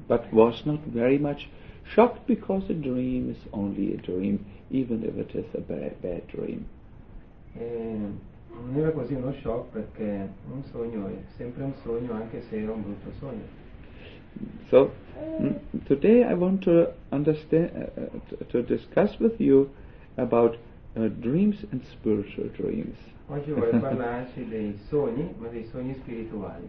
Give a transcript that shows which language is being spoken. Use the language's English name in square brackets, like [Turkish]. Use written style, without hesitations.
[English] But was not very much shocked because a dream is only a dream, even if it is a bad dream. [Italian] Non era così uno shock perché un sogno è sempre un sogno anche se era un brutto sogno. [English] So today I want to understand to discuss with you about dreams and spiritual dreams. [Italian] Oggi vorrei parlarci dei sogni, ma dei sogni spirituali.